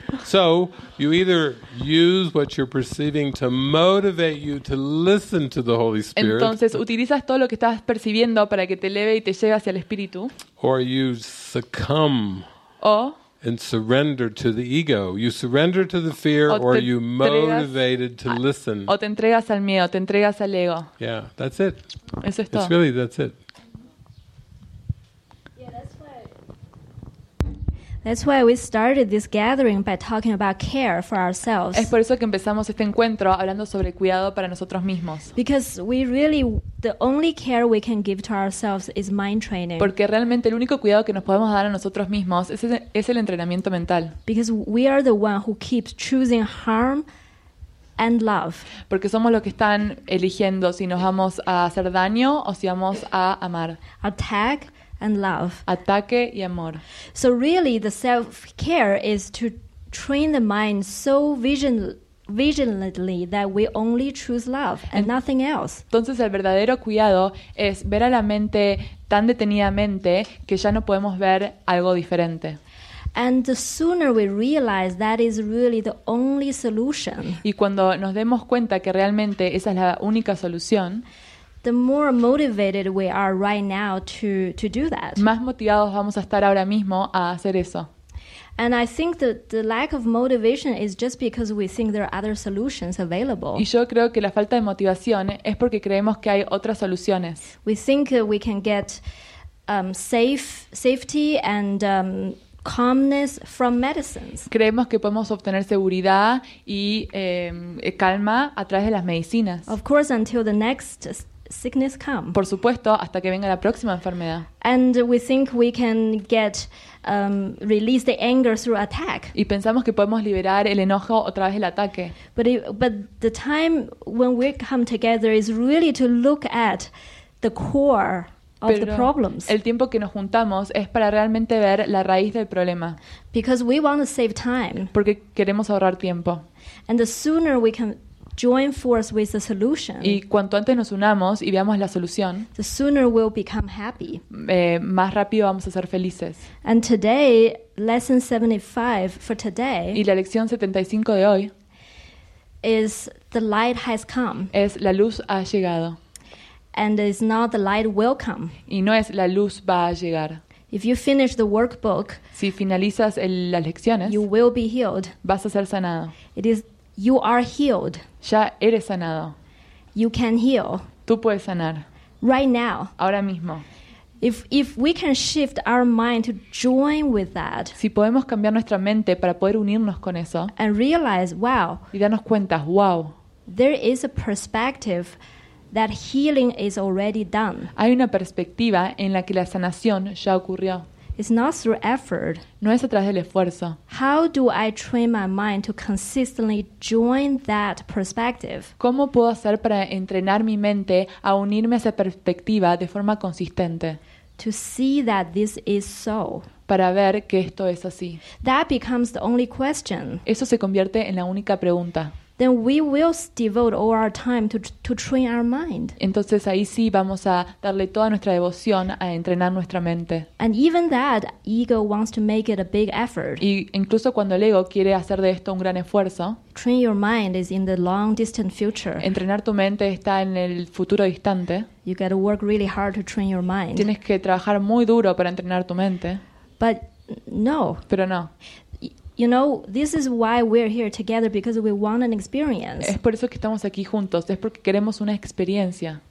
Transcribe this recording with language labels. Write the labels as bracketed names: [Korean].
[English] So you either use what you're perceiving to motivate you to listen to the Holy Spirit. [Spanish] Entonces utilizas todo lo que estás percibiendo para que te eleve y te lleve hacia el Espíritu. [English] Or you succumb. [Spanish] O [English] and surrender to the ego. You surrender to the fear, or you motivated to listen. [Spanish] O te entregas al miedo, te entregas al ego. [English] Yeah, that's it. [Spanish] Eso es todo. [English] It's really, that's it. That's why we started this gathering by talking about care for ourselves. [Spanish] Es por eso que empezamos este encuentro hablando sobre cuidado para nosotros mismos. [English] Because we really, the only care we can give to ourselves is mind training. [Spanish] Porque realmente el único cuidado que nos podemos dar a nosotros mismos es el entrenamiento mental. [English] Because we are the one who keeps choosing harm and love. [Spanish] Porque somos los que están eligiendo si nos vamos a hacer daño o si vamos a amar. [English] Attack and love. [Spanish] Ataque y amor. [English] So really the self-care is to train the mind so vigilantly that we only choose love and nothing else. [Spanish] Entonces el verdadero cuidado es ver a la mente tan detenidamente que ya no podemos ver algo diferente. [English] And the sooner we realize that is really the only solution. [Spanish] Y cuando nos demos cuenta que realmente esa es la única solución, [English] the more motivated we are right now to do that. [Spanish] Más motivados vamos a estar ahora mismo a hacer eso. [English] And I think that the lack of motivation is just because we think there are other solutions available. [Spanish] Y yo creo que la falta de motivación es porque creemos que hay otras soluciones. [English] We think that we can get safety and calmness from medicines. [Spanish] Creemos que podemos obtener seguridad y calma a través de las medicinas. [English] Of course, until the next sickness come. [Spanish] Por supuesto, hasta que venga la próxima enfermedad. [English] And we think we can get release the anger through attack. [Spanish] Y pensamos que podemos liberar el enojo a través del ataque. [English] But the time when we come together is really to look at the core of the problems. [Spanish] El tiempo que nos juntamos es para realmente ver la raíz del problema. [English] Because we want to save time. [Spanish] Porque queremos ahorrar tiempo. [English] And the sooner we can join force with the solution. [Spanish] Y cuanto antes nos unamos y veamos la solución, [English] the sooner we'll become happy. [Spanish] Más rápido vamos a ser felices. [English] And today, lesson 75 for today. [Spanish] Y la lección 75 de hoy [English] is the light has come. [Spanish] Es la luz ha llegado. [English] And it's not the light will come. [Spanish] Y no es la luz va a llegar. [English] If you finish the workbook, [Spanish] si finalizas las lecciones, [English] you will be healed. [Spanish] Vas a ser sanado. [English] It is. You are healed. [Spanish] Ya eres sanado. [English] You can heal. [Spanish] Tú puedes sanar. [English] Right now. [Spanish] Ahora mismo. [English] If we can shift our mind to join with that. [Spanish] Si podemos cambiar nuestra mente para poder unirnos con eso. [English] And realize, wow. [Spanish] Y darnos cuenta, wow. [English] There is a perspective that healing is already done. [Spanish] Hay una perspectiva en la que la sanación ya ocurrió. [English] It's not through effort. [Spanish] No es a través del esfuerzo. [English] How do I train my mind to consistently join that perspective? [Spanish] ¿Cómo puedo hacer para entrenar mi mente a unirme a esa perspectiva de forma consistente? [English] To see that this is so. [Spanish] Para ver que esto es así. [English] That becomes the only question. [Spanish] Eso se convierte en la única pregunta. [English] Then we will devote all our time to train our mind. [Spanish] Entonces ahí sí vamos a darle toda nuestra devoción a entrenar nuestra mente. [English] And even that, ego wants to make it a big effort. [Spanish] Y incluso cuando el ego quiere hacer de esto un gran esfuerzo. [English] Train your mind is in the long distant future. [Spanish] Entrenar tu mente está en el futuro distante. [English] You got to work really hard to train your mind. [Spanish] Tienes que trabajar muy duro para entrenar tu mente. [English] But no. [Spanish] Pero no. [English] You know, this is why we're here together, because we want an experience. [Spanish] Es por eso que estamos aquí juntos, es porque queremos una experiencia.